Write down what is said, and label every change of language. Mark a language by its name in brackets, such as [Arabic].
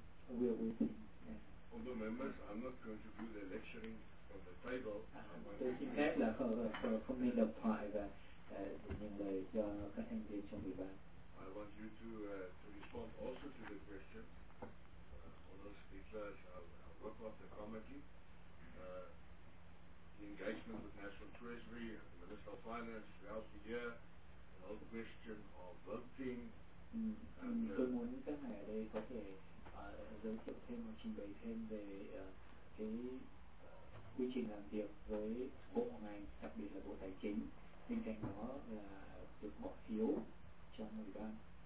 [English] Although members, I'm not going to do the lecturing from the table. [Vietnamese] Tôi xin phép là không nên đọc thoại và những lời cho các thành viên trong ủy ban. [English] I want you to respond also to the question. All those speakers, our work of the committee, the engagement with National Treasury, the Minister of Finance throughout the year, the whole question of voting. [Vietnamese] Tôi muốn các ngài ở đây có thể giới thiệu thêm và trình bày thêm về cái quy trình làm việc với bộ ngành, đặc biệt là Bộ Tài chính, bên cạnh đó là được bỏ phiếu trong ủy ban.